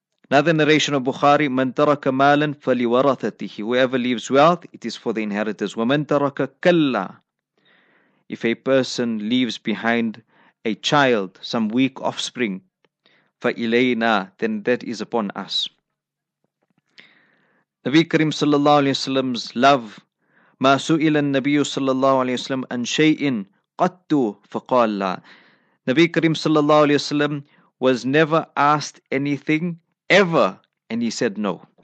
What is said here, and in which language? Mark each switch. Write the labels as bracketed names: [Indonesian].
[English] Another narration of Bukhari, [Arabic] من ترك مالا فلورثته. [English] Whoever leaves wealth, it is for the inheritors. [Arabic] ومن ترك كلا. [English] If a person leaves behind a child, some weak offspring, [Arabic] فإلينا, [English] then that is upon us. Nabi Karim sallallahu alayhi wa sallam's love. [Arabic] ما سئل النبي صلى الله عليه وسلم عن شيء قط فقال لا. [English] Nabi Karim sallallahu alayhi wa sallam was never asked anything ever, and he said no.